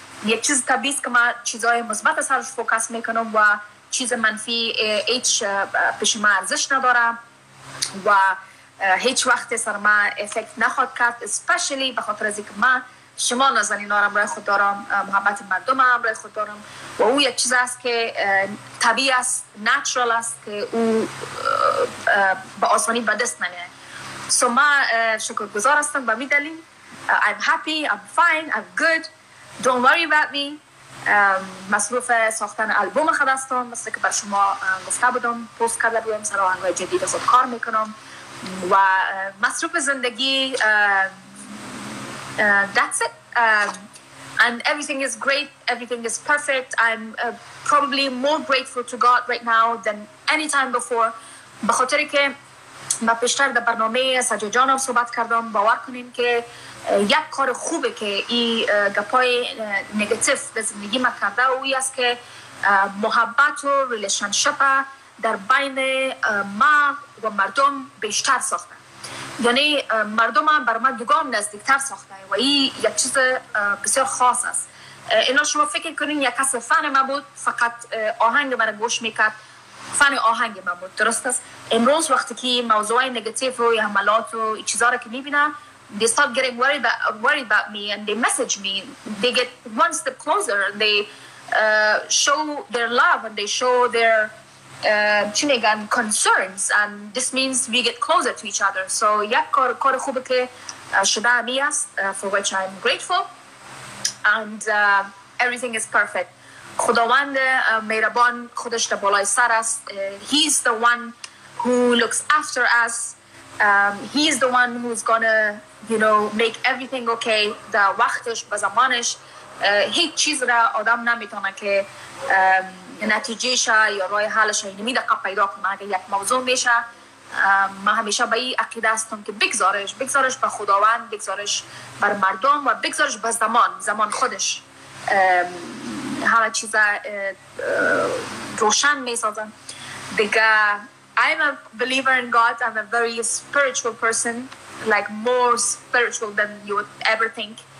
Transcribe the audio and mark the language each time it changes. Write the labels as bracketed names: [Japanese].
[Persian] یک چیز طبیعی که ما چیزهای مثبت سرش فوکس میکنم و چیز منفی هیچ پیش ما ارزش نداره و هیچ وقت سر ما افکت نخواد کرد، اسپشلی بخاطر از اینکه ما شما نازنین را برای خود دارم، محبت مردم را برای خود دارم و او یک چیز است که طبیعی است، ناتورال است که او به آسانی به دست نمیاد. سو ما شکرگزار هستم به میدلیم. [English] I'm happy, I'm fine, I'm good, don't worry about me. [Persian] مصروف ساختن آلبوم خود هستم، مثل که بر شما گفته بودم پوست کرده بودم سر آهنگای جدید خود کار میکنم و مصروف زندگی. [English] That's it. And everything is great. Everything is perfect. I'm probably more grateful to God right now than any time before. [Persian] به خاطر که ما پیشتر در برنامه سجا جانم صحبت کردم، باور کنین که یک کار خوبه که این گپای نگتیف به زندگی ما کرده و ای است که محبت و ریلیشنشپ در بین ما و مردم بیشتر ساخته. یعنی مردم هم بر ما دوگام نزدیکتر ساخته و این یک چیز بسیار خاص است. اینا شما فکر کنین یک کس فن ما بود، فقط آهنگ ما را گوش میکرد، فن آهنگ ما بود، درست است؟ امروز وقتی که موضوع نگتیف و حملات و این چیزها را که میبینن [English] they start getting worried about me and they message me, they get one step closer and they show their love and they show their چنگان concerns and this means we get closer to each other. So [Persian] یک کار خوبه که شده می است [English] for which I'm grateful and everything is perfect. [Persian] خداوند مهربان خودش در بالای سر است. [English] He is the one who looks after us. He is the one who's gonna, you know, make everything okay. [Persian] در وقتش به زمانش هیچ چیز را آدم نمیتونه که نتیجه‌ش یا رای حلش اینه می دقیق پیدا کنه. اگه یک موضوع میشه من همیشه به این عقیده هستم که بگذارش به خداوند، بگذارش بر مردم و بگذارش به زمان خودش همه چیز روشن می سازن. دیگه [English] I'm a believer in God. I'm a very spiritual person, like more spiritual than you would ever think.